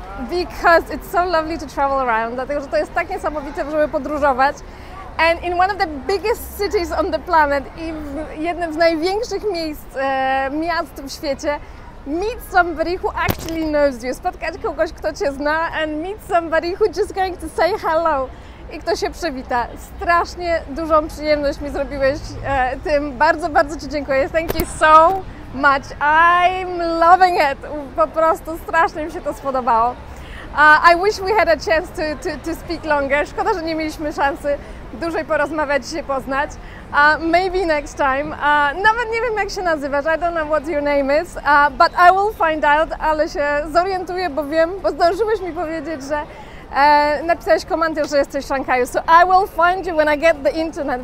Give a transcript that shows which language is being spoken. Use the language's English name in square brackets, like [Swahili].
[English] Because it's so lovely to travel around. [Polish] Dlatego, że to jest tak niesamowite, żeby podróżować. [English] And in one of the biggest cities on the planet, [Polish] i w jednym z największych miejsc, miast w świecie, [English] meet somebody who actually knows you. [Polish] Spotkać kogoś, kto cię zna, [English] and meet somebody who just going to say hello. [Polish] I kto się przywita. Strasznie dużą przyjemność mi zrobiłeś tym. Bardzo, bardzo ci dziękuję. [English] Thank you so much. I'm loving it. [Polish] Po prostu strasznie mi się to spodobało. [English] I wish we had a chance to speak longer. [Polish] Szkoda, że nie mieliśmy szansy dłużej porozmawiać i się poznać. [English] Maybe next time. [Polish] Nawet nie wiem, jak się nazywasz. [English] I don't know what your name is. But I will find out. [Polish] Ale się zorientuję, bo wiem, bo zdążyłeś mi powiedzieć, że napisałeś komentarz, że jesteś w Szanghaju. [English] So I will find you when I get the internet.